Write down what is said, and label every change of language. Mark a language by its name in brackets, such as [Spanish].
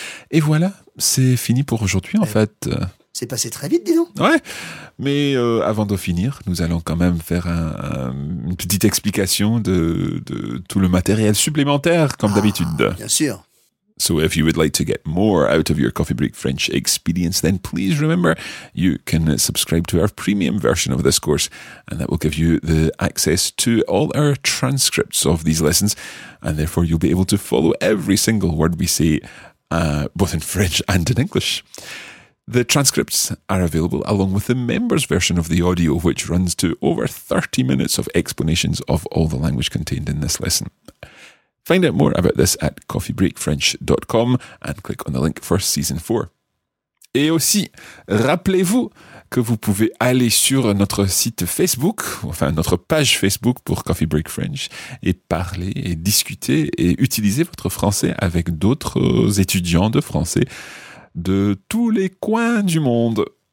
[French] Et voilà, c'est fini pour aujourd'hui, en fait. C'est passé très vite, dis donc. Ouais, mais avant de finir, nous allons quand même faire une petite explication de tout le matériel supplémentaire, comme d'habitude. Bien sûr. [English] So if you would like to get more out of your Coffee Break French experience, then please remember you can subscribe to our premium version of this course, and that will give you the access to all our transcripts of these lessons, and therefore you'll be able to follow every single word we say, both in French and in English. The transcripts are available along with the members' version of the audio, which runs to over 30 minutes of explanations of all the language contained in this lesson. Find out more about this at coffeebreakfrench.com and click on the link for Season 4. [French] Et aussi, rappelez-vous que vous pouvez aller sur notre site Facebook, enfin notre page Facebook pour Coffee Break French, et parler et discuter et utiliser votre français avec d'autres étudiants de français de tous les coins du monde.